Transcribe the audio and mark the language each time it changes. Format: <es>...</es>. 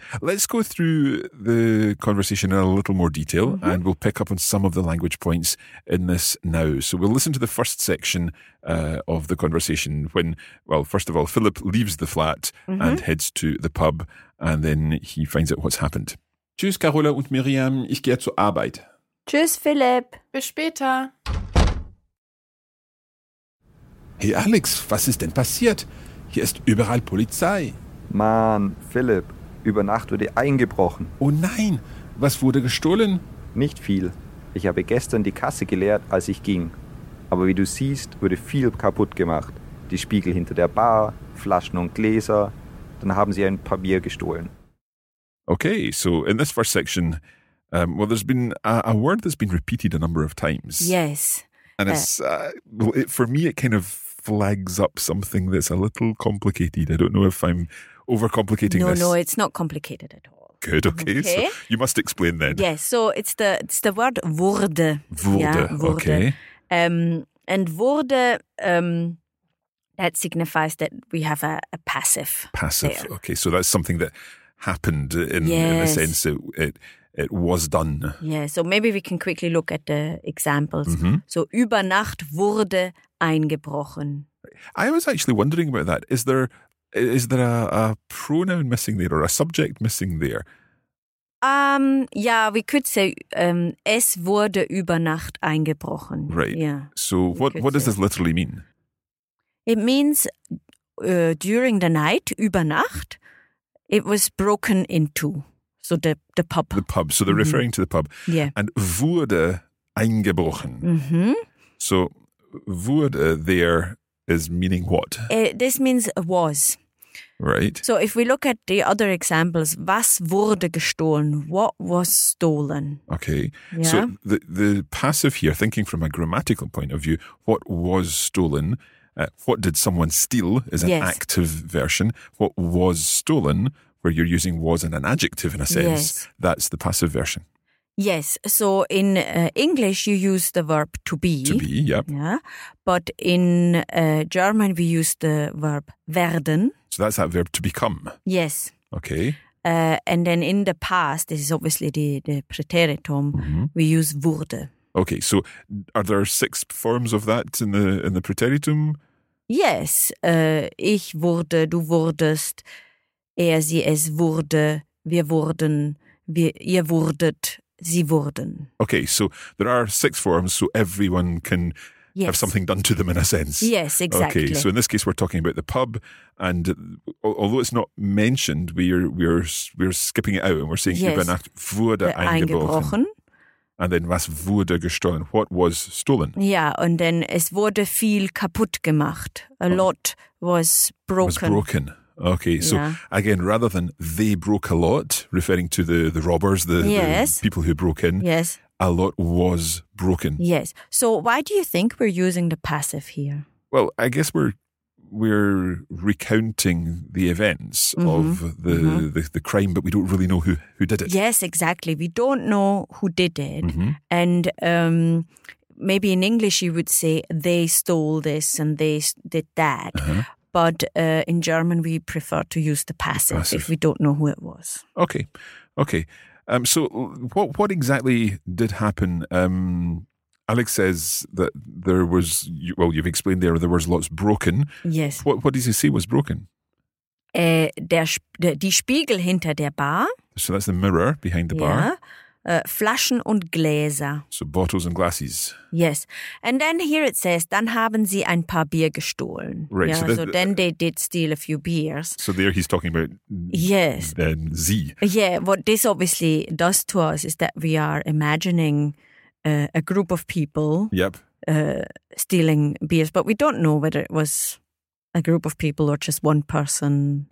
<en>Let's go through the conversation in a little more detail. Mm-hmm. And we'll pick up on some of the language points in this now. So we'll listen to the first section of the conversation when, well, first of all, Philip leaves the flat mm-hmm. and heads to the pub and then he finds out what's happened.</en> <de>Tschüss, Carola und Miriam. Ich gehe zur Arbeit. Tschüss, Philip. Bis später. Hey, Alex, was ist denn passiert? Hier ist überall Polizei. Mann, Philip, über Nacht wurde eingebrochen. Oh nein, was wurde gestohlen? Nicht viel. Ich habe gestern die Kasse geleert, als ich ging. Aber wie du siehst, wurde viel kaputt gemacht. Die Spiegel hinter der Bar, Flaschen und Gläser. Dann haben sie ein paar Bier gestohlen.</de> <en>Okay, so in this first section, well, there's been a word that's been repeated a number of times. Yes. And it's, for me, it kind of flags up something that's a little complicated. I don't know if I'm overcomplicating this. No, it's not complicated at all. Good, okay. So you must explain then. Yes, so it's the word wurde. Wurde, yeah, wurde. Okay. And wurde, that signifies that we have a passive. Passive, there. Okay. So that's something that happened in the sense it was done. Yeah, so maybe we can quickly look at the examples. Mm-hmm.</en> <de>So über Nacht wurde eingebrochen.</de> <en>I was actually wondering about that. Is there a pronoun missing there or a subject missing there? Yeah, we could say</en> <de>es wurde über Nacht eingebrochen.</de> <en>Right. Yeah. So what does this literally mean? It means during the night,</en> <de>über Nacht,</de> <en>it was broken into. So the pub. The pub. So they're referring to the pub. Yeah. And wurde eingebrochen. Mm-hmm. So, wurde there is meaning what? This means was. Right. So, if we look at the other examples,</en> <de>was wurde gestohlen?</de> <en>What was stolen? Okay. Yeah. So, the passive here, thinking from a grammatical point of view, what was stolen? What did someone steal is an yes. active version. What was stolen, where you're using was in an adjective in a sense, yes. that's the passive version. Yes. So in English, you use the verb to be. To be, yep. Yeah. But in German, we use the verb werden. So that's that verb to become. Yes. Okay. And then in the past, this is obviously the preteritum, mm-hmm. we use wurde. Okay, so are there six forms of that in the preteritum?</en> <de>Yes, ich wurde, du wurdest, er, sie, es wurde, wir wurden, wir, ihr wurdet, sie wurden.</de> <en>Okay, so there are six forms, so everyone can yes. have something done to them in a sense. Yes, exactly. Okay, so in this case, we're talking about the pub, and although it's not mentioned, we're skipping it out and we're saying yes.</en> <de>übernacht wurde eingebrochen.</de> <en>And then,</en> <de>was wurde gestohlen?</de> <en>What was stolen? Yeah, and then,</en> <de>es wurde viel kaputt gemacht.</de> <en>A lot was broken. Was broken. Okay, so yeah. again, rather than they broke a lot, referring to the robbers, the, yes. the people who broke in, yes. a lot was broken. Yes. So, why do you think we're using the passive here? Well, I guess we're recounting the events mm-hmm. of the, mm-hmm. the crime, but we don't really know who did it. Yes, exactly. We don't know who did it. Mm-hmm. And maybe in English you would say they stole this and they did that. Uh-huh. But in German we prefer to use the passive if we don't know who it was. Okay. Okay. So what exactly did happen? Alex says that there was, well, you've explained there, there was lots broken. Yes. What does he say was broken?</en> <de>Die Spiegel hinter der Bar.</de> <en>So that's the mirror behind the bar.</en> <de>Flaschen und Gläser.</de> <en>So bottles and glasses. Yes. And then here it says,</en> <de>dann haben sie ein paar Bier gestohlen.</de> <en>Right. Yeah, so then they did steal a few beers. So there he's talking about yes. then sie. Yeah. What this obviously does to us is that we are imagining a group of people yep. Stealing beers, but we don't know whether it was a group of people or just one person,</en>